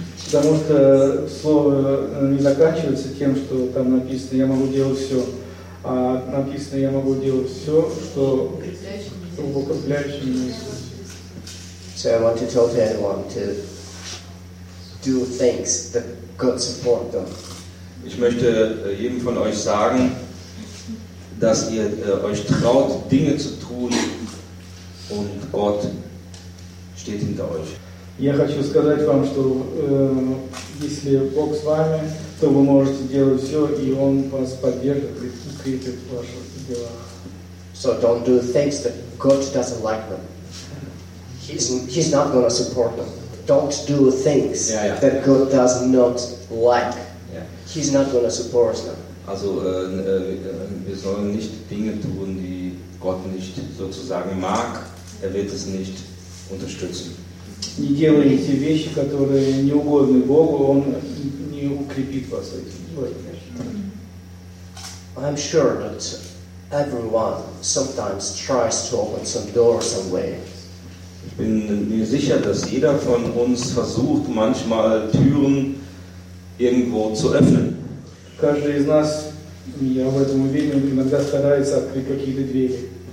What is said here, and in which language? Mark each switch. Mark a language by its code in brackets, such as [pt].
[ru] Потому что слово не заканчивается тем, что там написано «я могу делать все», а написано «я могу делать все, что укрепляющий меня». [en] So I want to tell everyone to do things that God support them. [de] Ich möchte jedem von euch sagen, dass ihr euch traut, Dinge zu tun und Gott steht hinter euch. [ru] Я хочу сказать вам, что если Бог с вами, то вы можете делать все, и Он вас поддержит и укрепит в ваших делах. [en] So don't do things that God doesn't like them. He's not going to support them. Don't do things that God does not like. Yeah. He's not going to support them. [de] Also wir sollen nicht Dinge tun, die Gott nicht sozusagen mag. Er wird es nicht unterstützen. [ru] Не делай те вещи, которые не угодны Богу, Он не укрепит вас этим. [en] I'm sure that everyone sometimes tries to open some doors somewhere. [de] Ich bin mir sicher, dass jeder von uns versucht, manchmal Türen irgendwo zu öffnen. [ru] Каждый из нас, я в этом уверен, иногда старается открыть какие-то двери.